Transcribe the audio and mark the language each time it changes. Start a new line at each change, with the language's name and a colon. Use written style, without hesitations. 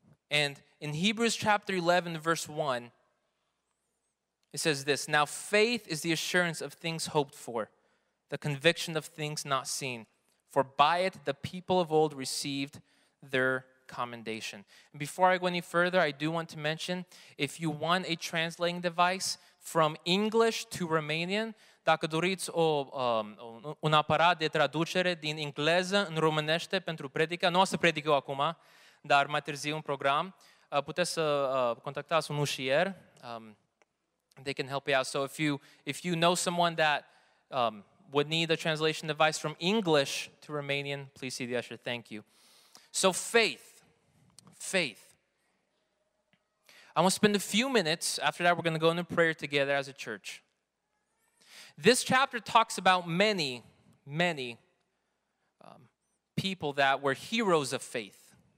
English: And in Hebrews chapter 11, verse 1, it says this: Now faith is the assurance of things hoped for, the conviction of things not seen. For by it the people of old received their commendation. And before I go any further, I do want to mention, if you want a translating device from English to Romanian,
Romanian: dacă doriți un aparat de traducere din engleză în românește pentru predica, nu o să predic eu acum, dar mai târziu un program, puteți să contactați un ușier.
English: They can help you out. So if you know someone that would need a translation device from English to Romanian, please see the usher. Thank you. So faith. I want to spend a few minutes. After that, we're going to go into prayer together as a church. This chapter talks about many, many people that were heroes of faith.